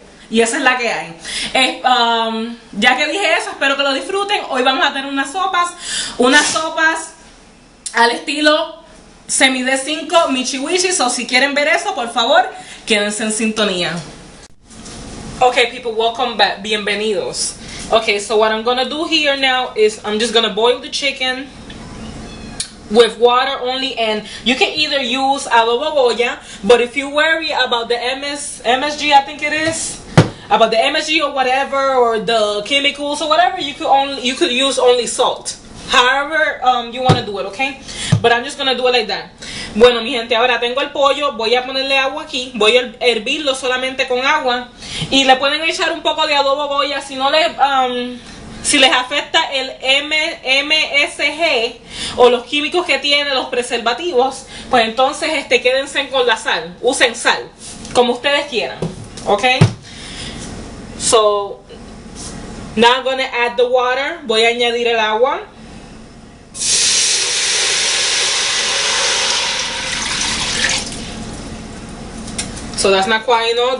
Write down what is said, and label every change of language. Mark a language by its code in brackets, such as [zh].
[es] Y esa es la que hay. Ya que dije eso, espero que lo disfruten. Hoy vamos a tener unas sopas al estilo Semide 5 Michi Wichi, o si quieren ver eso, por favor, quédense en sintonía. [en] Okay, people, welcome back. [es] Bienvenidos. [en] Okay, so what I'm gonna do here now is I'm just gonna boil the chicken with water only, and you can either use adobo boya, but if you worry about the MSG, I think it is, about the MSG or whatever, or the chemicals or whatever, you could use only salt. However, you want to do it, okay? But I'm just going to do it like that. [es] Bueno, mi gente, ahora tengo el pollo. Voy a ponerle agua aquí. Voy a hervirlo solamente con agua. Y le pueden echar un poco de adobo boya. Si no les, si les afecta el MSG o los químicos que tiene, los preservativos, pues entonces quédense con la sal. Usen sal. Como ustedes quieran, okay? [en] So, now I'm going to add the water. [es] Voy a añadir el agua. [en] So that's not quite enough.